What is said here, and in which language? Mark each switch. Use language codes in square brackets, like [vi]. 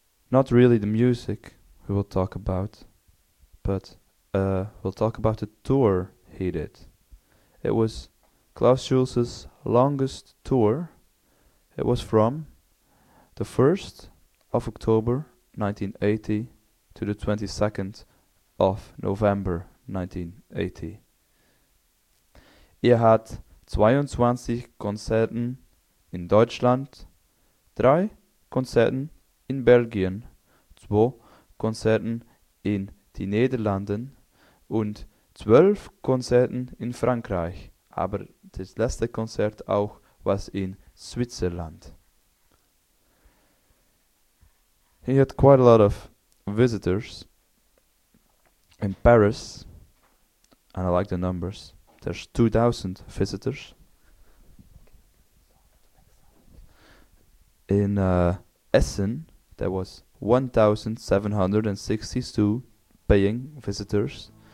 [en] Not really the music we will talk about, but we'll talk about the tour he did. It was Klaus Schulze's longest tour. It was from the 1st of October 1980 to the 22nd of November 1980. [de] Er hat 22 Konzerten in Deutschland, 3 Konzerten in Belgien, 2 Konzerten in die Niederlanden und 12 Konzerten in Frankreich, aber das letzte Konzert auch was in Switzerland. [en] He had quite a lot of visitors in Paris, and I like the numbers. There's 2,000 visitors. In Essen, there was 1,762 paying visitors.